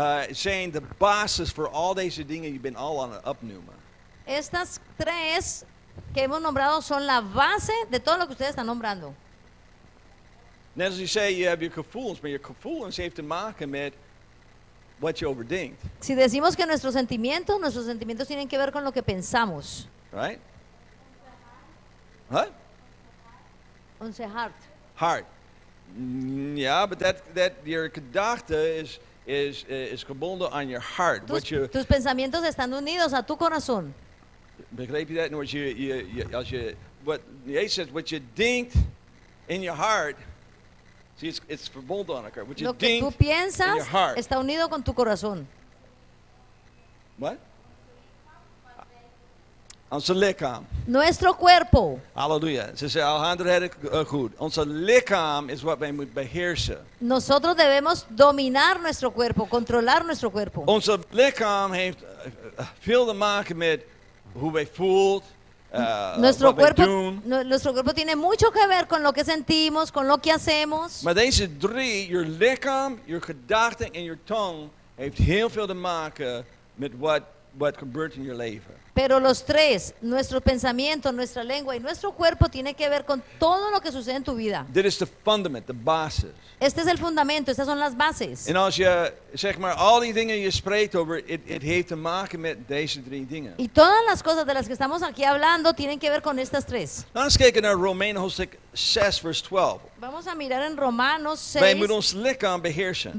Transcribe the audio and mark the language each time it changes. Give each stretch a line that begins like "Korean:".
Dutch: Zijn de basis voor al deze dingen die je ben al aan het opnoemen.
Spanish: Estas tres que hemos nombrado son la base de todo lo que ustedes están nombrando.
Dutch: Net als je zei, je hebt je gevoelens, maar je gevoelens heeft te maken met
English: what you
Dutch: overdenkt.
Spanish: Si decimos que nuestros sentimientos tienen que ver con lo que pensamos.
English: Right? What? On the heart. Heart. Yeah, but that your
Dutch: gedachte is gebonden aan
English: your heart.
Spanish: Tus pensamientos están unidos a tu corazón.
Dutch: Begrijp je dat?
English: In other words,
Dutch: Jezus zegt,
English: what you think in your heart. See, it's
Dutch: verbonden aan elkaar.
English: What you think
Spanish: tú piensas
English: in your heart.
Spanish: Está unido con tu corazón.
English: What?
Dutch: Onze lichaam.
Spanish: Nuestro cuerpo.
Dutch: Halleluja. Ze zei, Alejandro had het goed. Onze lichaam is wat wij moeten beheersen.
Spanish: Nosotros debemos dominar nuestro cuerpo, controlar nuestro cuerpo.
Dutch: Onze lichaam heeft veel te maken met hoe wij voelt.
Spanish: Nuestro cuerpo tiene mucho que ver con lo que sentimos, con lo que hacemos.
Dutch: Maar deze drie, your lichaam, your gedachten
English: and your tongue,
Dutch: heeft heel veel te maken met what gebeurt in your leven.
Spanish: Pero los tres, nuestro pensamiento, nuestra lengua y nuestro cuerpo tiene que ver con todo lo que sucede en tu vida.
English: This is the fundament, the basis.
Spanish: Este es el fundamento, estas son las bases.
Dutch: En als je, zeg maar, al die dingen je spreekt over, it heeft te maken met deze drie dingen.
Spanish: Y todas las cosas de las que estamos aquí hablando tienen que ver con estas tres. Vamos a
Dutch: kijken naar Romeinen hoofdstuk 6, vers 12.
Spanish: Vamos a mirar en Romanos 6.
Dutch: Wij moeten ons lichaam beheersen.